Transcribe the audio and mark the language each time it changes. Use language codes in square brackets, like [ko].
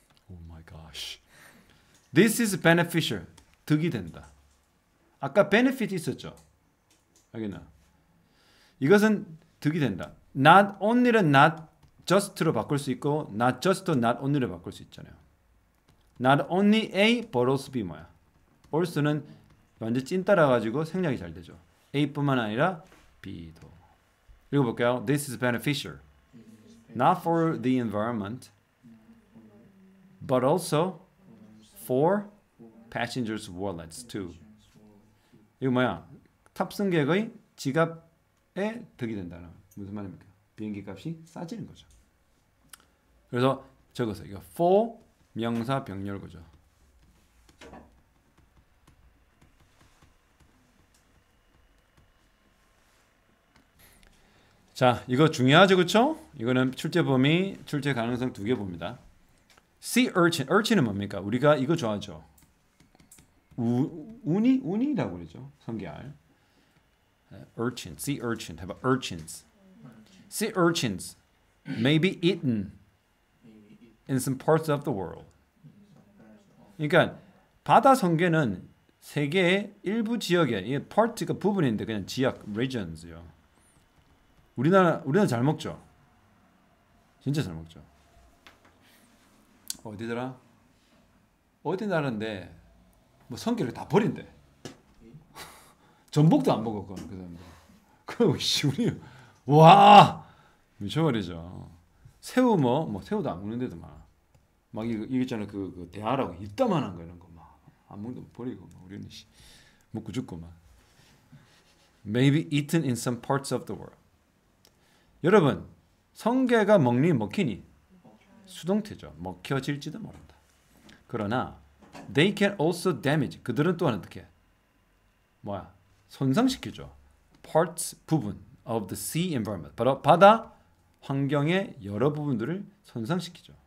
[en] Oh my gosh. This is beneficial. [ko] 득이 된다. 아까 benefit 있었죠? 알겠나? 이것은 득이 된다. Not only는 not just로 바꿀 수 있고 not just도 not only로 바꿀 수 있잖아요. [en] Not only A, but also B 뭐야? [ko] also는 완전 찐따라 가지고 생략이 잘 되죠. A뿐만 아니라 B도. 읽어볼게요. [en] This is beneficial. Not for the environment, but also for passengers' wallets too. [ko] 이거 뭐야? 탑승객의 지갑에 득이 된다는 무슨 말입니까? 비행기 값이 싸지는 거죠. 그래서 적어서 이거 for 명사 병렬구죠. 자, 이거 중요하죠, 그렇죠? 이거는 출제 범위, 출제 가능성 두개 봅니다. Sea urchin, urchin은 뭡니까? 우리가 이거 좋아하죠. 우니, 우니라고 그러죠. 성게알. [en] Urchin, sea urchin, 해봐. Urchins. Sea urchins may be eaten in some parts of the world. [ko] 그러니까 바다 성게는 세계의 일부 지역에, 이게 part가 부분인데 그냥 지역, regions요. 우리나라 잘 먹죠. 진짜 잘 먹죠. 어디더라? 어디 나라인데 뭐 성게를 다 버린대. 전복도 안 먹어 그건 그 사람들. 그 우리 와 미쳐버리죠. 새우 뭐 새우도 안 먹는데도 막. 막 이거 있잖아 그 대하라고 이따만한 거 이런 거막 아무도 버리고 막 우리는 씨 먹고 죽고 막 [en] Maybe eaten in some parts of the world. [ko] 여러분 성게가 먹니 먹히니 수동태죠. 먹혀질지도 모른다. 그러나 [en] they can also damage. [ko] 그들은 또한 어떻게 뭐야 손상시키죠. [en] Parts, 부분 of the sea environment. [ko] 바로 바다 환경의 여러 부분들을 손상시키죠.